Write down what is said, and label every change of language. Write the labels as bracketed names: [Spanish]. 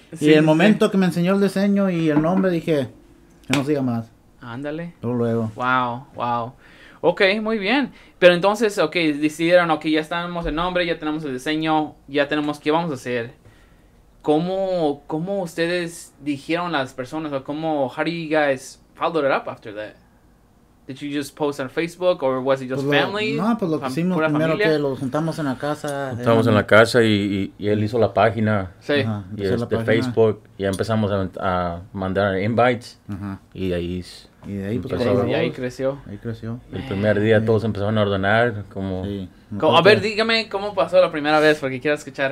[Spanish] Y sí, el momento que me enseñó el diseño y el nombre, dije, que no siga más. Ándale. Luego. Wow. Ok, muy bien. Pero entonces, ok, decidieron, ok, ya tenemos el nombre, ya tenemos el diseño, ya tenemos qué vamos a hacer. ¿Cómo ustedes dijeron a las personas? O cómo, [English] how do you guys follow it up after that? Did you just post on Facebook or was it just [Spanish] pues [English] family? [Spanish] Lo hicimos primero familia? Que lo juntamos en la casa. Juntamos en la casa y él hizo la página. Sí. Uh-huh. Y es de Facebook. Y empezamos a mandar invites. Uh-huh. Y de ahí creció. [English] Man. [Spanish] El primer día todos empezaron a ordenar. Como, sí. A ver, dígame cómo pasó la primera vez, porque quiero escuchar.